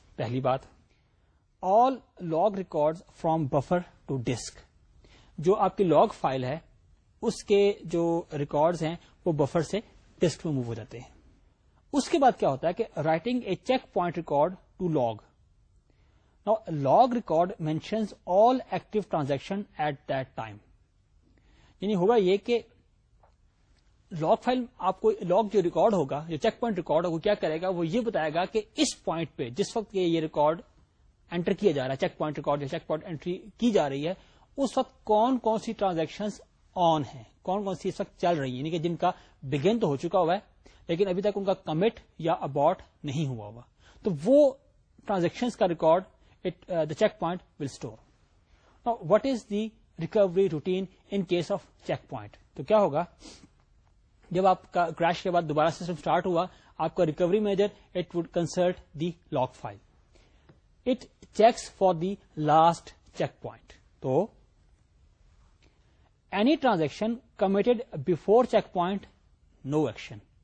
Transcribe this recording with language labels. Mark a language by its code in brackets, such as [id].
[ur] پہلی بات, [en] all log records from buffer to disk, [ur] جو آپ کی لاگ فائل ہے اس کے جو ریکارڈز ہیں وہ بفر سے ڈسک میں موو ہو جاتے ہیں. اس کے بعد کیا ہوتا ہے کہ [en] Writing a checkpoint record to log. Now, log record mentions all active transaction at that time. [ur] یعنی ہوگا یہ کہ log file آپ کو log جو record ہوگا جو checkpoint record ہوگا کیا کرے گا, وہ یہ بتائے گا کہ اس point پہ جس وقت یہ record enter کیا جا رہا ہے, checkpoint record یا checkpoint entry کی جا رہی ہے, اس وقت کون کون سی transactions on ہیں, کون کون سی اس وقت چل رہی ہیں, یعنی کہ جن کا begin تو ہو چکا ہوا ہے لیکن ابھی تک ان کا commit یا abort نہیں ہوا ہوا, تو وہ transactions کا record [en] the checkpoint will store. Now, what is the recovery routine in case of checkpoint? [ur] تو کیا ہوگا جب آپ کا [en] Crash کے بعد دوبارہ سسٹم اسٹارٹ ہوا, آپ کا recovery manager it would consult the log file, it checks for the last checkpoint. تو any transaction committed before checkpoint no action.